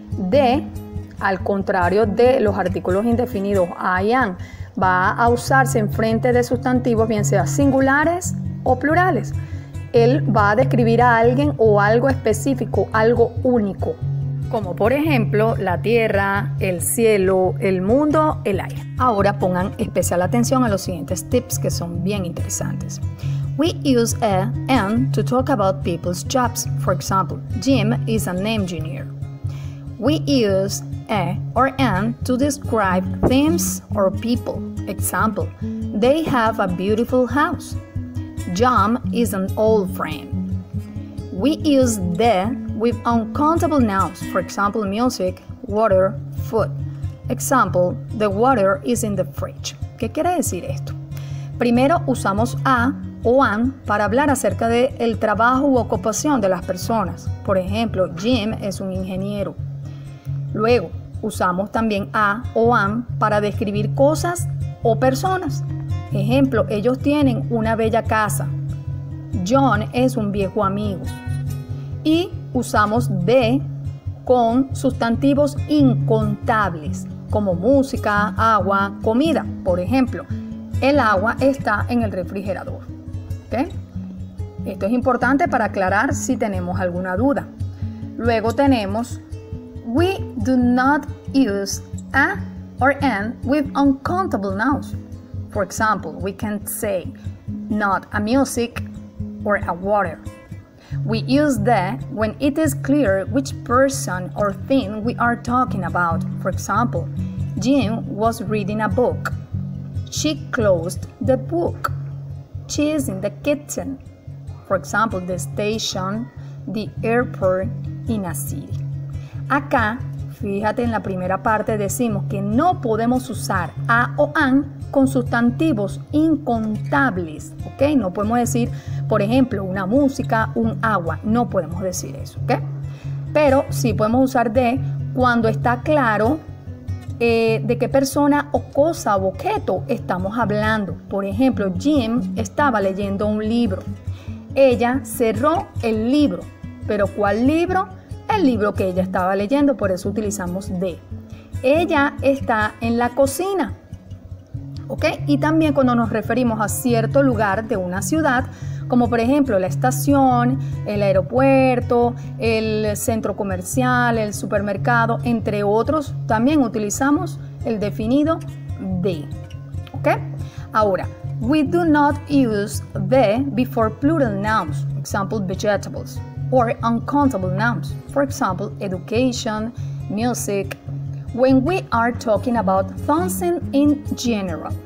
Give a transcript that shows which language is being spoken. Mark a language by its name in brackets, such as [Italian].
[Spanish] De, al contrario de los artículos indefinidos, I am, va a usarse en frente de sustantivos, bien sea singulares o plurales. Él va a describir a alguien o algo específico, algo único. Como por ejemplo, la tierra, el cielo, el mundo, el aire. Ahora pongan especial atención a los siguientes tips que son bien interesantes. [English] We use a and to talk about people's jobs. For example, Jim is an engineer. We use a or an to describe things or people. Example, they have a beautiful house. John is an old friend. We use the with uncountable nouns, for example, music, water, food. Example, the water is in the fridge. [Spanish] ¿Qué quiere decir esto? Primero usamos a o an para hablar acerca de el trabajo u ocupación de las personas. Por ejemplo, Jim es un ingeniero. Luego, usamos también a o am para describir cosas o personas. Ejemplo, ellos tienen una bella casa. John es un viejo amigo. Y usamos de con sustantivos incontables, como música, agua, comida. Por ejemplo, el agua está en el refrigerador. ¿Okay? Esto es importante para aclarar si tenemos alguna duda. Luego tenemos... [English] We do not use a or an with uncountable nouns. For example, we can't say not a music or a water. We use the when it is clear which person or thing we are talking about. For example, Jim was reading a book. She closed the book. she's in the kitchen. For example, the station, the airport, in a city. [Spanish] Acá, fíjate, en la primera parte decimos que no podemos usar a o an con sustantivos incontables, ¿ok? No podemos decir, por ejemplo, una música, un agua. No podemos decir eso, ¿ok? Pero sí podemos usar de cuando está claro de qué persona o cosa o objeto estamos hablando. Por ejemplo, Jim estaba leyendo un libro. Ella cerró el libro. ¿Pero cuál libro? El libro que ella estaba leyendo, por eso utilizamos de. Ella está en la cocina. ¿Ok? Y también cuando nos referimos a cierto lugar de una ciudad, como por ejemplo la estación, el aeropuerto, el centro comercial, el supermercado, entre otros, también utilizamos el definido de. ¿Ok? Ahora, [English] we do not use the before plural nouns, example vegetables, or uncountable nouns, for example, education, music, when we are talking about something in general.